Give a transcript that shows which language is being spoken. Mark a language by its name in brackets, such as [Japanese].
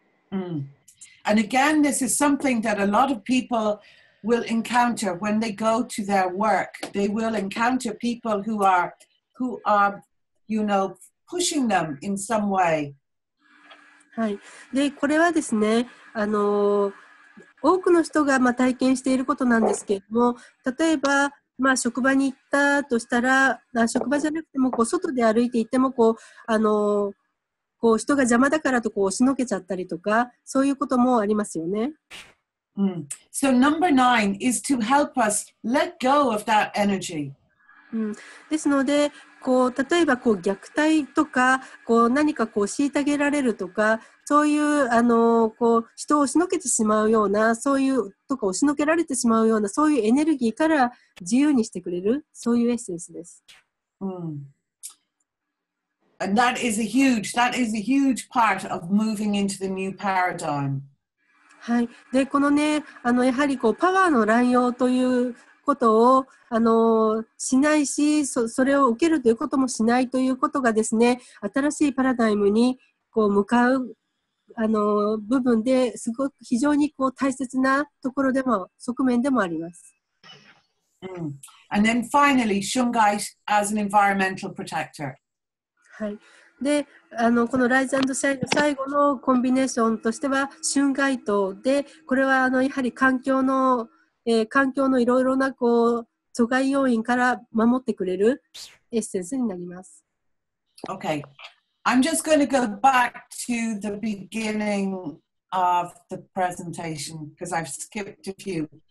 [English] And again, this is something that a lot of people will encounter when they go to their work. They will encounter people who are, you know, pushing them in some way. [Japanese] はい。で、これはですね、多くの人がまあ体験していることなんですけれども、例えば、まあ、職場に行ったとしたら、まあ、職場じゃなくてもこう外で歩いていてもこうこう人が邪魔だからとこう押しのけちゃったりとか、そういうこともありますよね。 [English] So number nine is to help us let go of that energy. [Japanese] ですので、こう例えばこう虐待とかこう何かこう虐げられるとか、そういうこう人を押しのけてしまうような、そういうとか押しのけられてしまうような、そういうエネルギーから自由にしてくれる、そういうエッセンスです。 [English] And that is a huge part of moving into the new paradigm. [Japanese] はい。で、このね、やはりこうパワーの乱用ということをしないし、それを受けるということもしないということがですね、新しいパラダイムにこう向かう部分で、すごく非常にこう大切なところでも、側面でもあります。 [English] And then finally, Shungite as an environmental protector. [Japanese] はい。で、このライズ&シャインの最後のコンビネーションとしては、Shungiteで、これはやはり環境の、環境のいろいろなこう阻害要因から守ってくれるエッセンスになります。 [English] Okay. I'm just going to go back to the beginning of the presentation because I've skipped a few.